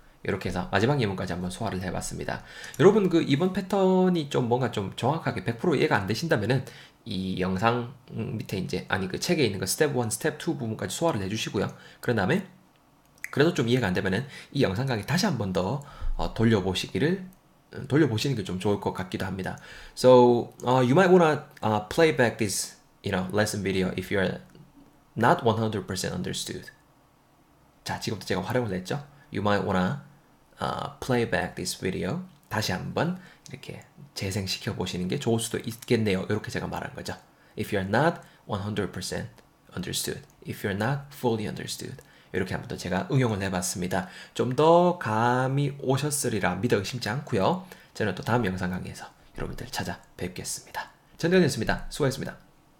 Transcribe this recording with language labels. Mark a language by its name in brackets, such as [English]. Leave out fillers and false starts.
[Korean] 이렇게 해서 마지막 예문까지 한번 소화를 해봤습니다. 여러분 그 이번 패턴이 좀 뭔가 좀 정확하게 100% 이해가 안 되신다면은 이 영상 밑에 이제 아니 그 책에 있는 거 스텝 1, 스텝 2 부분까지 소화를 해주시고요. 그런 다음에 그래도 좀 이해가 안 되면은 이 영상 강의 다시 한번 더 돌려보시는 게좀 좋을 것 같기도 합니다. [English] So, you might wanna play back this, lesson video if you're not 100% understood. [Korean] 자, 지금부터 제가 활용을 했죠? [English] You might wanna play back this video. [Korean] 다시 한번 이렇게 재생시켜 보시는 게 좋을 수도 있겠네요. 이렇게 제가 말한 거죠. [English] If you're not 100% understood. If you're not fully understood. [Korean] 이렇게 한번 더 제가 응용을 해봤습니다. 좀더 감이 오셨으리라 믿어 의심치 않고요. 저는 또 다음 영상 강의에서 여러분들 찾아뵙겠습니다. 전대현이었습니다. 수고하셨습니다.